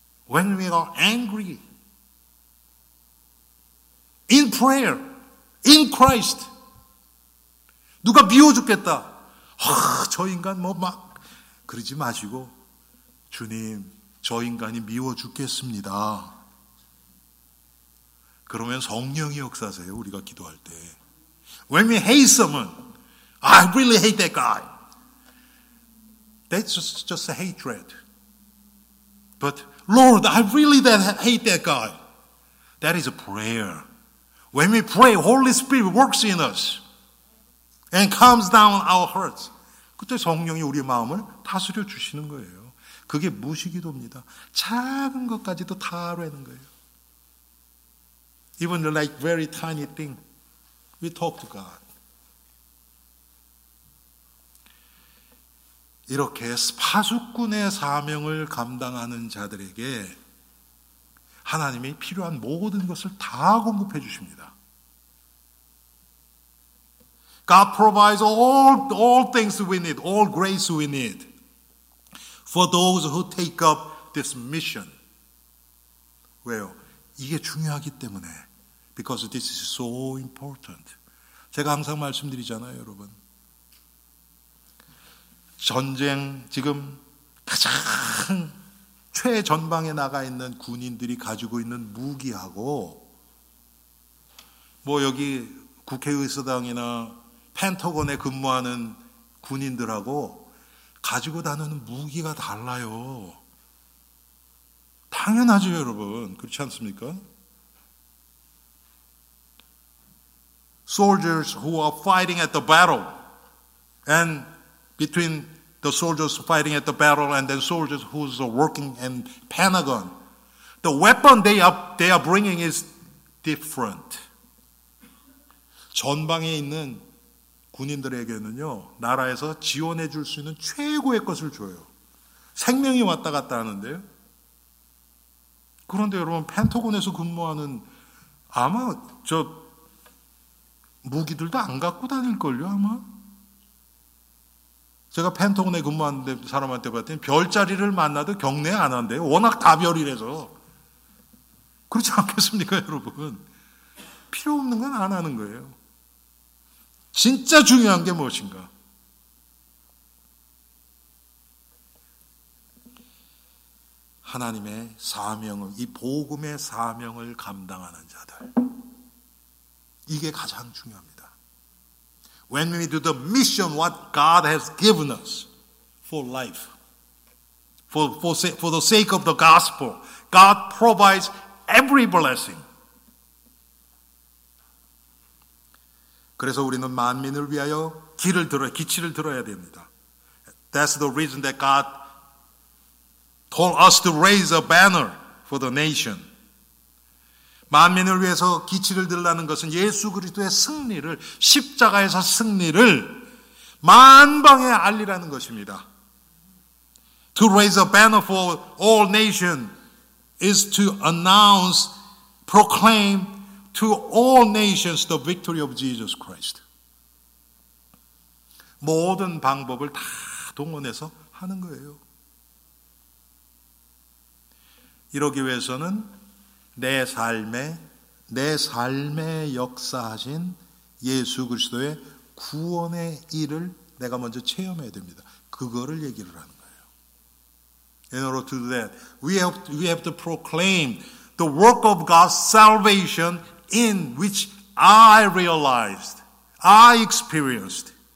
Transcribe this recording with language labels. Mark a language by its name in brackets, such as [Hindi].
[English] When we are angry, in prayer, in Christ, [Korean] 누가 미워 죽겠다. 저 인간 뭐 막 그러지 마시고 주님 저 인간이 미워 죽겠습니다. 그러면 성령이 역사하세요. 우리가 기도할 때. [English] When we hate someone, I really hate that guy. That's just a hatred. But Lord, I really hate that guy. That is a prayer. When we pray, Holy Spirit works in us and calms down our hearts. [Korean] 그때 성령이 우리 마음을 다스려 주시는 거예요. 그게 무시기도입니다. 작은 것까지도 다 하라는 거예요. [English] Even like very tiny thing, we talk to God. [Korean] 이렇게 파수꾼의 사명을 감당하는 자들에게 하나님이 필요한 모든 것을 다 공급해 주십니다. [English] God provides all things we need, all grace we need for those who take up this mission. [Korean] 왜요? 이게 중요하기 때문에. [English] Because this is so important. [Korean] 제가 항상 말씀드리잖아요, 여러분. 전쟁, 지금 가장 최전방에 나가 있는 군인들이 가지고 있는 무기하고 뭐 여기 국회의사당이나 펜타곤에 근무하는 군인들하고 가지고 다니는 무기가 달라요. 당연하죠, 여러분. 그렇지 않습니까? [English] Soldiers who are fighting at the battle and between the soldiers fighting at the battle and then soldiers who's working in Pentagon, the weapon they are bringing is different. [Korean] 전방에 있는 군인들에게는요, 나라에서 지원해 줄 수 있는 최고의 것을 줘요. 생명이 왔다 갔다 하는데요. 그런데 여러분, 펜타곤에서 근무하는 아마 저 무기들도 안 갖고 다닐걸요, 아마? 제가 펜타곤에 근무하는 사람한테 봤더니 별자리를 만나도 경례 안 한대요. 워낙 다 별이라서. 그렇지 않겠습니까, 여러분? 필요 없는 건 안 하는 거예요. 진짜 중요한 게 무엇인가? 하나님의 사명을, 이 복음의 사명을 감당하는 자들. 이게 가장 중요합니다. [English] When we do the mission what God has given us for life, for the sake of the gospel, God provides every blessing. [Korean] 그래서 우리는 만민을 위하여 길을 들어 기치를 들어야 됩니다. [English] That's the reason that God told us to raise a banner for the nation. [Korean] 만민을 위해서 기치를 들라는 것은 예수 그리스도의 승리를, 십자가에서 승리를 만방에 알리라는 것입니다. [English] To raise a banner for all nations is to announce, proclaim to all nations the victory of Jesus Christ. [Korean] 모든 방법을 다 동원해서 하는 거예요. 이러기 위해서는 내 삶에 역사하신 예수 그리스도의 구원의 일을 내가 먼저 체험해야 됩니다. 그거를 얘기를 하는 거예요. [English] In order to do that, we have to proclaim the work of God's salvation in which I realized, I experienced.